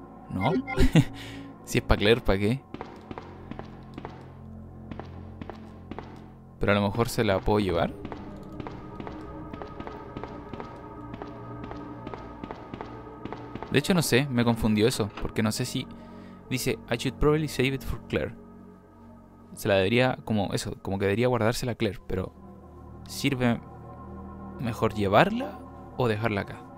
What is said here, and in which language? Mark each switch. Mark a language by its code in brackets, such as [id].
[es] No. Si es para Claire, ¿para qué? Pero a lo mejor se la puedo llevar. De hecho, no sé, me confundió eso, porque no sé si... dice, [en] I should probably save it for Claire. [es] Se la debería, como eso, como que debería guardársela a Claire, pero... ¿sirve mejor llevarla o dejarla acá?